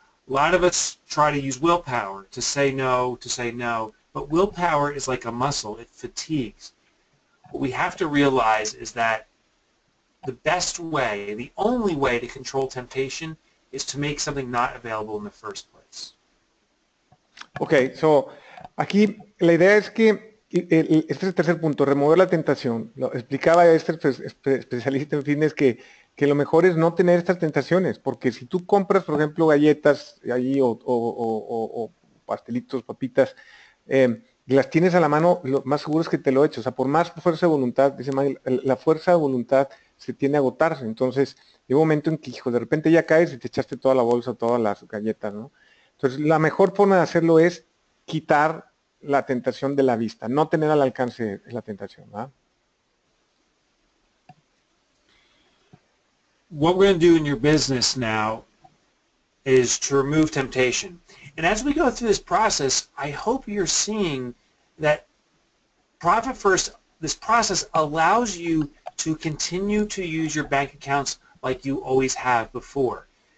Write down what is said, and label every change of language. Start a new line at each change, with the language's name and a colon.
English: A lot of us try to use willpower to say no, but willpower is like a muscle, it fatigues. What we have to realize is that the best way, the only way to control temptation is to make something not available in the first place.
Spanish: Okay, so aquí la idea es que este es el tercer punto, remover la tentación. Lo explicaba este especialista en fitness que lo mejor es no tener estas tentaciones, porque si tú compras, por ejemplo, galletas allí o pastelitos, papitas, y las tienes a la mano, lo más seguro es que te lo eches. O sea, por más fuerza de voluntad, dice Miguel, la fuerza de voluntad se tiende a agotarse. Entonces, llega un momento en que, hijo, de repente ya caes y te echaste toda la bolsa, todas las galletas, ¿no? Entonces, la mejor forma de hacerlo es quitar la tentación de la vista, no tener al alcance de la tentación, ¿verdad?
English: What we're going to do in your business now is to remove temptation. And as we go through this process, I hope you're seeing that Profit First, this process allows you to continue to use your bank accounts like you always have before.